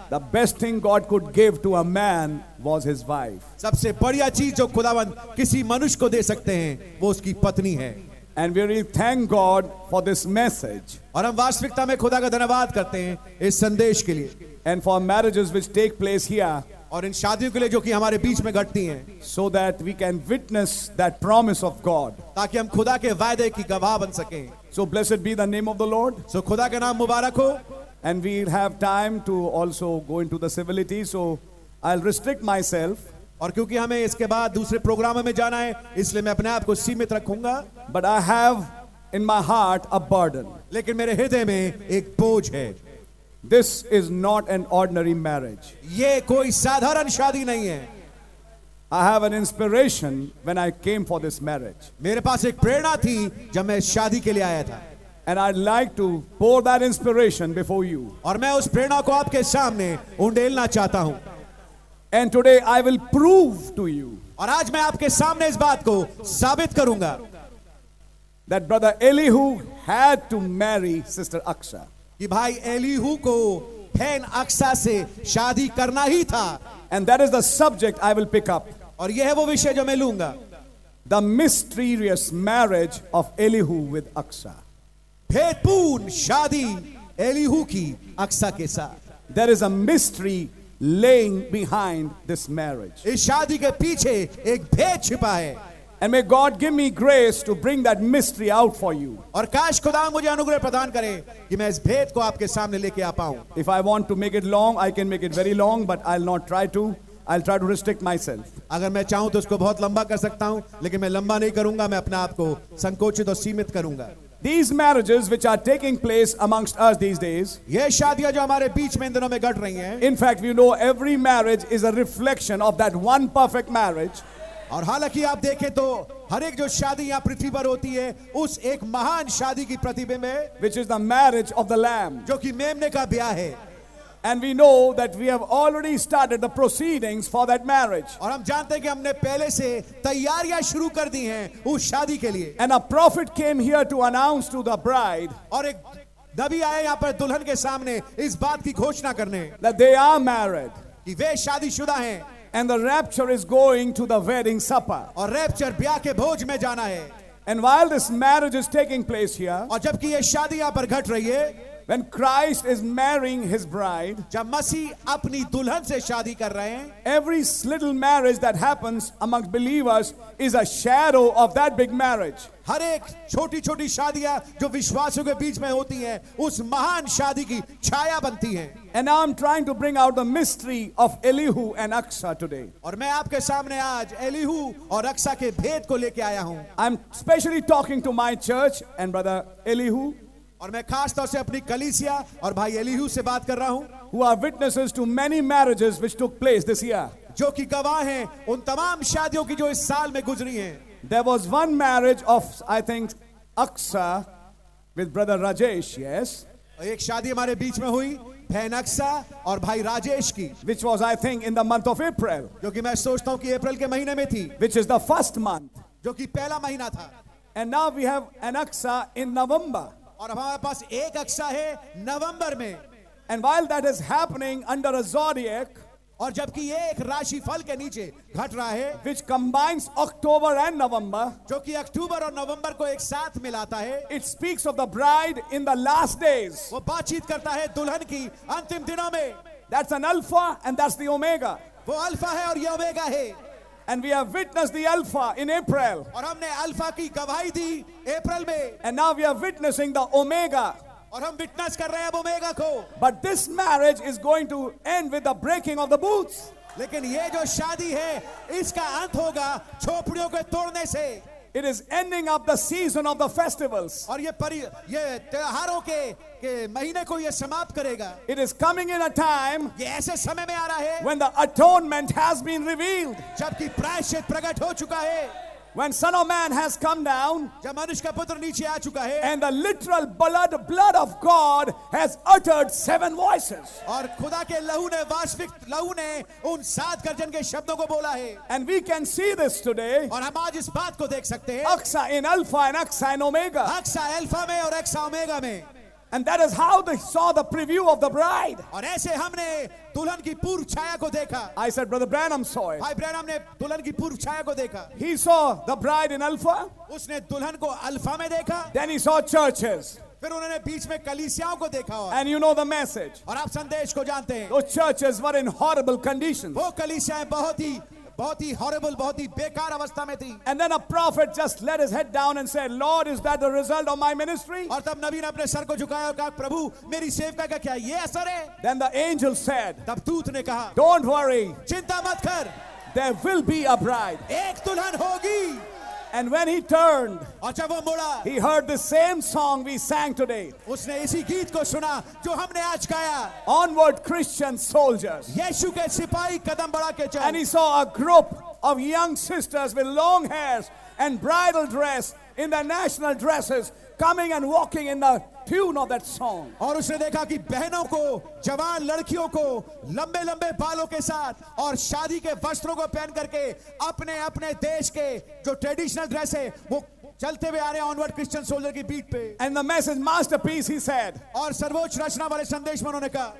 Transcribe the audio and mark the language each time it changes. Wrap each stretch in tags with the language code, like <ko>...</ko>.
<en>the best thing God could give to a man was his wife.</en> <hi>सबसे बढ़िया चीज जो खुदावंद किसी मनुष्य को दे सकते हैं वो उसकी पत्नी है।</hi> <en>And we really thank God for this message.</en> <hi>और हम वास्तविकता में खुदा का धन्यवाद करते हैं इस संदेश के लिए।</hi> <en>and for marriages which take place here.</en> <hi>और इन शादियों के लिए जो कि हमारे बीच में घटती हैं,</hi> <en>so that we can witness that promise of God.</en> <hi>ताकि हम खुदा के वायदे की गवाह बन सकें.</hi> <en>So blessed be the name of the Lord.</en> <hi>So खुदा का नाम मुबारक हो.</hi> <en>And we have time to also go into the civility. So I'll restrict myself.</en> <hi>और क्योंकि हमें इसके बाद दूसरे प्रोग्राम में जाना है, इसलिए मैं अपने आप को सीमित रखूंगा.</hi> <en>But I have in my heart a burden.</en> <hi>लेकिन मेरे हृदय में एक बोझ है.</hi> <en>This is not an ordinary marriage.</en> <hi>ये कोई साधारण शादी नहीं है.</hi> <en>I have an inspiration when I came for this marriage.</en> <hi>मेरे पास एक प्रेरणा थी जब मैं शादी के लिए आया था.</hi> <en>And I'd like to pour that inspiration before you.</en> <hi>और मैं उस प्रेरणा को आपके सामने उंडेलना चाहता हूँ.</hi> <en>And today I will prove to you.</en> <hi>और आज मैं आपके सामने इस बात को साबित करूँगा.</hi> <en>That brother Elihu had to marry sister Aksha.</en> <hi>कि भाई एलीहू को बहन अक्षा से शादी करना ही था.</hi> <en>And that is the subject I will pick up.</en> <hi>और यह है वो विषय जो मैं लूंगा.</hi> <en>The mysterious marriage of Elihu with Achsah.</en> <hi>भेदपूर्ण शादी एलीहू की अक्षा के साथ.</hi> <en>There is a mystery laying behind this marriage.</en> <hi>इस शादी के पीछे एक भेद छिपा है.</hi> <en>And may God give me grace to bring that mystery out for you.</en> <hi>और काश खुदा मुझे अनुग्रह प्रदान करे कि मैं इस भेद को आपके सामने लेके आ पाऊं.</hi> <en>If I want to make it long, I can make it very long, but I'll not try to. I'll try to restrict myself.</en> <hi>अगर मैं चाहूं तो उसको बहुत लंबा कर सकता हूं, लेकिन मैं लंबा नहीं करूंगा. मैं अपने आप को संकोचित और सीमित करूंगा.</hi> <en>These marriages which are taking place amongst us these days.</en> <hi>ये शादियां जो हमारे बीच में इन दिनों में घट रही हैं.</hi> <en>In fact, we know every marriage is a reflection of that one perfect marriage.</en> <hi>और हालांकि आप देखें तो हर एक जो शादी यहाँ पृथ्वी पर होती है उस एक महान शादी की प्रतिबिंब है.</hi> <en>Which is the marriage of the lamb.</en> <hi>जो कि मेमने का ब्याह है.</hi> <en>And we know that we have already started the proceedings for that marriage.</en> <hi>और हम जानते हैं कि हमने पहले से तैयारियां शुरू कर दी हैं उस शादी के लिए.</hi> <en>And a prophet came here to announce to the bride.</en> <hi>और एक नबी आए यहाँ पर दुल्हन के सामने इस बात की घोषणा करने.</hi> <en>That they are married.</en> <hi>कि वे शादीशुदा हैं.</hi> <en>And the rapture is going to the wedding supper.</en> <hi>और रैप्चर ब्याह के भोज में जाना है.</hi> <en>And while this marriage is taking place here,</en> <hi>और जबकि ये शादी यहाँ पर घट रही है,</hi> <en>when Christ is marrying His bride,</en> <hi>जब मसीह अपनी दुल्हन से शादी कर रहे हैं,</hi> <en>every little marriage that happens amongst believers is a shadow of that big marriage.</en> <hi>हर एक छोटी-छोटी शादियाँ जो विश्वासों के बीच में होती हैं, उस महान शादी की छाया बनती हैं.</hi> <en>And I'm trying to bring out the mystery of Elihu and Aksha today.</en> <hi>और मैं आपके सामने आज एलीहू और अक्षा के भेद को लेके आया हूँ.</hi> <en>I'm specially talking to my church and brother Elihu.</en> <hi>और मैं खास तौर से अपनी कलीसिया और भाई एलीहू से बात कर रहा हूँ.</hi> <en>Who are witnesses to many marriages which took place this year.</en> <hi>जो कि गवाह हैं उन तमाम शादियों की जो इस साल में गुजरी हैं.</hi> <en>There was one marriage of, I think, Aksha with brother Rajesh. Yes.</en> <hi>एक शादी हमारे बीच में हुई बहन अक्षा और भाई राजेश की.</hi> <en>Which was, I think, in the month of April.</en> <hi>जो कि मैं सोचता हूँ कि अप्रैल के महीने में थी.</hi> <en>Which is the first month.</en> <hi>जो कि पहला महीना था.</hi> <en>And now we have an Aksha in November.</en> <hi>और हमारे पास एक अक्षा है नवंबर में.</hi> <en>And while that is happening under a zodiac.</en> <hi>और जबकि ये एक राशि फल के नीचे घट रहा है.</hi> <en>Which combines October and November.</en> <hi>जो कि अक्टूबर और नवंबर को एक साथ मिलाता है.</hi> <en>It speaks of the bride in the last days.</en> <hi>वो बातचीत करता है दुल्हन की अंतिम दिनों में.</hi> <en>That's an alpha and that's the omega.</en> <hi>वो अल्फा है और ये ओमेगा है.</hi> <en>And we have witnessed the Alpha in April.</en> <hi>और हमने अल्फा की गवाही दी अप्रैल में.</hi> <en>And now we are witnessing the Omega.</en> <hi>और हम विटनेस कर रहे हैं अब ओमेगा को.</hi> <en>But this marriage is going to end with the breaking of the booths.</en> <hi>लेकिन ये जो शादी है इसका अंत होगा झोपड़ियों को तोड़ने से.</hi> <en>It is ending up the season of the festivals.</en> <hi>और ये त्योहारों के महीने को ये समाप्त करेगा.</hi> <en>It is coming in a time.</en> <hi>ये ऐसे समय में आ रहा है.</hi> <en>When the atonement has been revealed.</en> <hi>जबकि प्रायश्चित प्रकट हो चुका है.</hi> <en>When Son of Man has come down,</en> <hi>जब मनुष्य का पुत्र नीचे आ चुका है,</hi> <en>and the literal blood of God has uttered seven voices,</en> <hi>और खुदा के लहू ने वास्तविक लहू ने उन सात गर्जन के शब्दों को बोला है,</hi> <en>and we can see this today,</en> <hi>और हम आज इस बात को देख सकते हैं,</hi> <en>Aksha in Alpha and Aksha in Omega,</en> <hi>Aksha Alpha में और Aksha Omega में,</hi> <en>and that is how they saw the preview of the bride,</en> <hi>और ऐसे हमने दुल्हन की पूर्व छाया को देखा.</hi> <en>I said, Brother Branham saw it.</en> <hi>भाई ब्रैनम ने दुल्हन की पूर्व छाया को देखा.</hi> <en>He saw the bride in Alpha.</en> <hi>उसने दुल्हन को अल्फा में देखा.</hi> <en>Then he saw churches.</en> <hi>फिर उन्होंने बीच में कलीसियाओं को देखा और</hi> <en>and you know the message</en> <hi>और आप संदेश को जानते हैं</hi> <en>दो churches were in horrible condition</en> <hi>वो कलीसियाएं बहुत ही हॉरिबल बहुत ही बेकार अवस्था में थी</hi> <en>and then a prophet just let his head down and said Lord is that the result of my ministry</en> <hi>और तब नबी ने अपने सर को झुकाया और कहा प्रभु मेरी सेवका का क्या ये असर है</hi> <en>then the angel said</en> <hi>तब दूत ने कहा</hi> <en>don't worry</en> <hi>चिंता मत कर</hi> <en>there will be a bride</en> <hi>एक दुल्हन होगी</hi> <en>And when he turned,</en> <hi>मुड़ा,</hi> <en>he heard the same song we sang today.</en> <hi>उसने इसी गीत को सुना जो हमने आज गाया.</hi> <en>Onward, Christian soldiers.</en> <hi>यीशु के सिपाही कदम बढ़ा के चल.</hi> <en>And he saw a group of young sisters with long hairs and bridal dress in their national dresses coming and walking in the tune of that song.</en> <hi>और उसने देखा कि बहनों को, जवान लड़कियों को, लंबे-लंबे बालों के साथ और शादी के वस्त्रों को पहन करके अपने-अपने देश के जो</hi> <en>traditional dress</en> <hi>है, वो चलते हुए आ रहे हैं</hi> <en>onward Christian soldier</en> <hi>की बीट पे।</hi> <en>And the message masterpiece, he said.</en> <hi>और सर्वोच्च रचना वाले संदेश में उन्होंने कहा।</hi>